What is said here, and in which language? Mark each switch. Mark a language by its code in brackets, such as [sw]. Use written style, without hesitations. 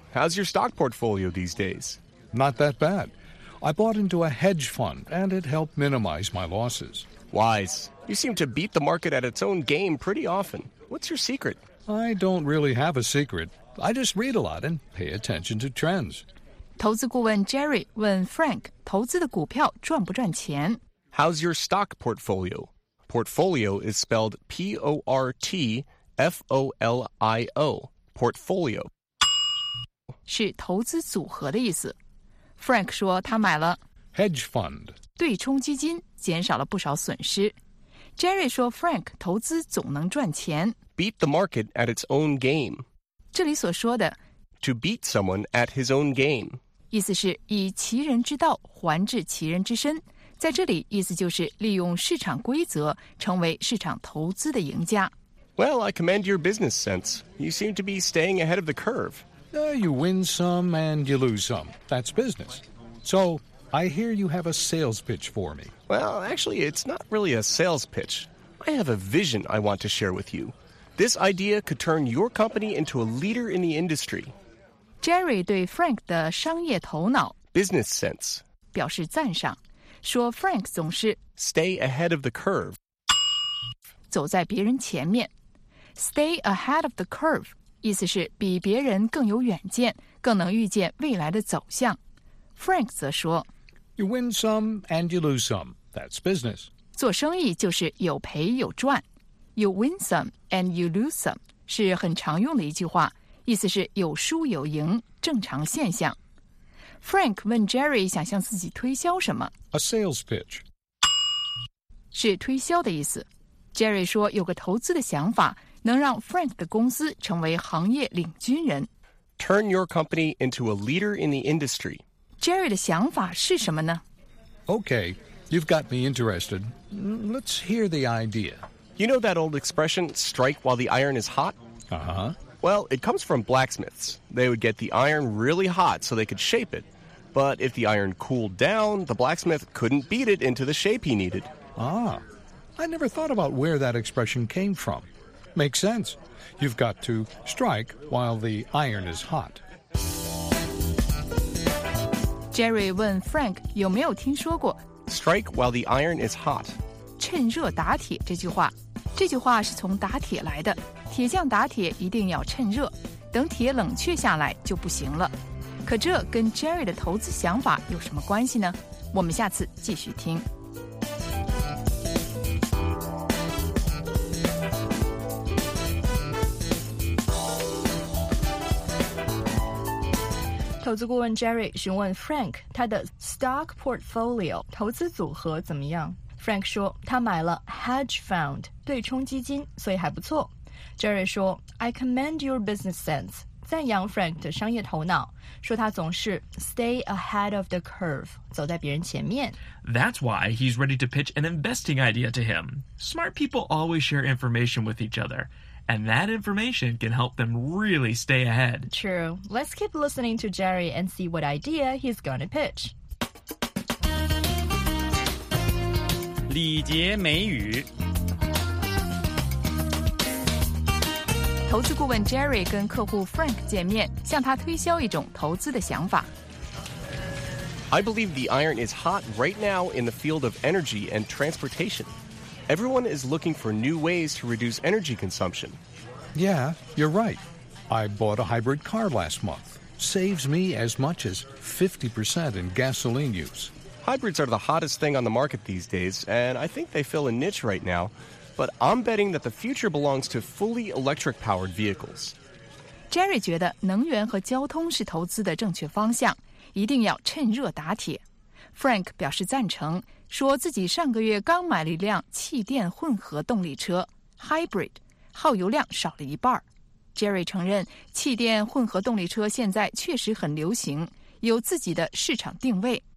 [en] How's your stock portfolio these days? Not that bad. I bought into a hedge fund, and it helped minimize my losses. Wise. You seem to beat the market at its own game pretty often. What's your secret? I don't really have a secret. I just read a lot and pay attention to trends. [zh] 投资顾问 Jerry 问 Frank, 投资的股票赚不赚钱? [en] How's your stock portfolio? Portfolio is spelled P-O-R-T-F-O-L-I-O, portfolio. [zh] 是投资组合的意思。Frank 说他买了 [en] Hedge fund. [zh] 对冲基金减少了不少损失。Jerry 说 Frank 投资总能赚钱。 [en] Beat the market at its own game. [zh] 这里所说的 [en] To beat someone at his own game. [zh] 意思是以其人之道还治其人之身。在这里意思就是利用市场规则成为市场投资的赢家。 [en] Well, I commend your business sense. You seem to be staying ahead of the curve. You win some and you lose some. That's business. So, I hear you have a sales pitch for me. Well, actually, it's not really a sales pitch. I have a vision I want to share with you. This idea could turn your company into a leader in the industry. [zh] Jerry 对 Frank 的商业头脑 [en] business sense [zh] 表示赞赏，说 Frank 总是 [en] stay ahead of the curve [zh] 走在别人前面。 [en] Stay ahead of the curve, [zh] 意思是比别人更有远见，更能预见未来的走向。Frank 则说 [en] You win some and you lose some. That's business. [zh] 做生意就是有赔有赚。 [en] You win some and you lose some [zh] 是很常用的一句话，意思是有输有赢，正常现象。 Frank 问 Jerry 想向自己推销什么。 [en] A sales pitch [zh] 是推销的意思。 Jerry 说有个投资的想法，能让 Frank 的公司成为行业领军人。 [en] Turn your company into a leader in the industry. [zh] Jerry 的想法是什么呢？ [en] Okay, you've got me interested. Let's hear the idea. You know that old expression, strike while the iron is hot? Uh-huh. Well, it comes from blacksmiths. They would get the iron really hot so they could shape it. But if the iron cooled down, the blacksmith couldn't beat it into the shape he needed. Ah, I never thought about where that expression came from. Makes sense. You've got to strike while the iron is hot. [zh] Jerry 问 Frank 有没有听说过 [en] strike while the iron is hot. [zh] 趁热打铁这句话，这句话是从打铁来的。铁匠打铁一定要趁热，等铁冷却下来就不行了。可这跟 Jerry 的投资想法有什么关系呢？我们下次继续听。投资顾问 Jerry 询问 Frank 他的 stock portfolio 投资组合怎么样。 Frank 说他买了 hedge fund 对冲基金，所以还不错。 Jerry 说 [en] I commend your business sense [zh] 赞扬 Frank 的商业头脑，说他总是 [en] stay ahead of the curve [zh] 走在别人前面。 [en] That's why he's ready to pitch an investing idea to him. Smart people always share information with each otherAnd that information can help them really stay ahead. True. Let's keep listening to Jerry and see what idea he's going to pitch. [zh] 礼节美语。投资顾问 Jerry 跟客户 Frank 见面，向他推销一种投资的想法。 [en] I believe the iron is hot right now in the field of energy and transportation. Everyone is looking for new ways to reduce energy consumption. Yeah, you're right. I bought a hybrid car last month. Saves me as much as 50% in gasoline use. Hybrids are the hottest thing on the market these days, and I think they fill a niche right now. But I'm betting that the future belongs to fully electric-powered vehicles. [zh] Jerry 觉得能源和交通是投资的正确方向，一定要趁热打铁。 Frank 表示赞成，说自己上个月刚买了一辆气电混合动力车 ,Hybrid。耗油量少了一半。Jerry 承认气电混合动力车现在确实很流行，有自己的市场定位。